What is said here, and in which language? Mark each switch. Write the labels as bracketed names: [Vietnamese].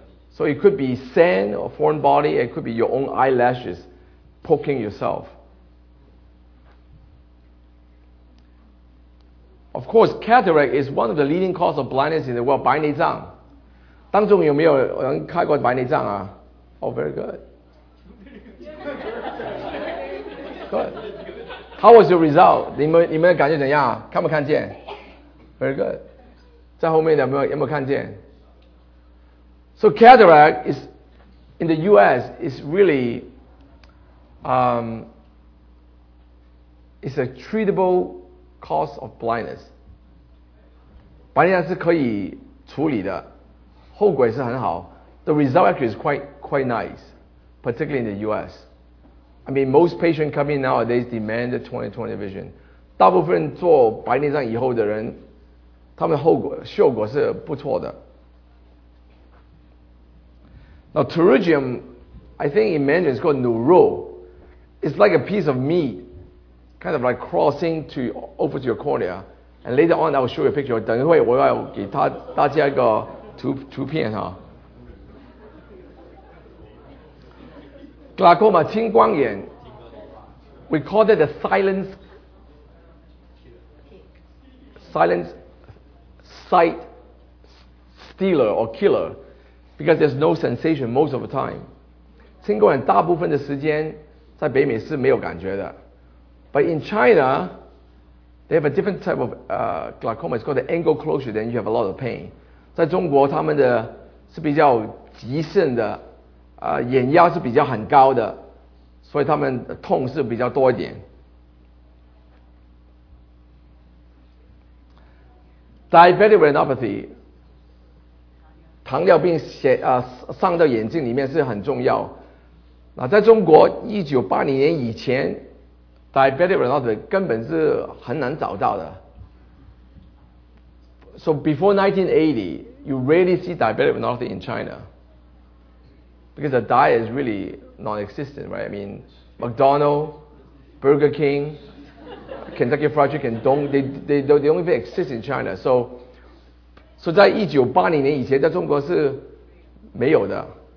[English] So it could be sand or foreign body, it could be your own eyelashes poking yourself. Of course, cataract is one of the leading causes of blindness in the world. [Chinese] 白内障，当中有没有人开过白内障啊？ [English] Oh, very good. Good. How was your result? [Chinese] 你们的感觉怎样？看不看见？ [English] Very good. [Chinese] 在后面的有没有看见？ [English] So cataract is in the U.S. is really is a treatable cause of blindness. [Chinese] 白内障是可以处理的，后果是很好。 [English] The result actually is quite nice, particularly in the US. I mean, most patients coming nowadays demand the 20/20 vision. [Chinese] 大部分做白内障以后的人，他们后果效果是不错的。 [English] Now, pterygium, I think in Mandarin it's called 牛肉. It's like a piece of meat, kind of like crossing to over to your cornea. And later on, I'll show you a picture. [Chinese] 等一会我要给他大家一个图片哈。 [English] Glaucoma, 青光眼 we call that a silence sight stealer or killer because there's no sensation most of the time. [Chinese] 青光眼大部分的时间在北美是没有感觉的 [English] But in China, they have a different type of glaucoma. It's called the angle closure, then you have a lot of pain. [Chinese] 在中国他们的是比较急性的眼压是比较很高的，所以他们痛是比较多一点。 Diabetic retinopathy， 糖尿病上到眼睛里面是很重要。那在中国1980年以前 ，diabetic retinopathy 根本是很难找到的。 [English] So before 1980, you rarely see diabetic retinopathy in China. Because the diet is really non-existent, right? I mean, McDonald's, Burger King, Kentucky Fried Chicken, they don't even exist in China. [Chinese] So 在1980年以前在中国是没有的。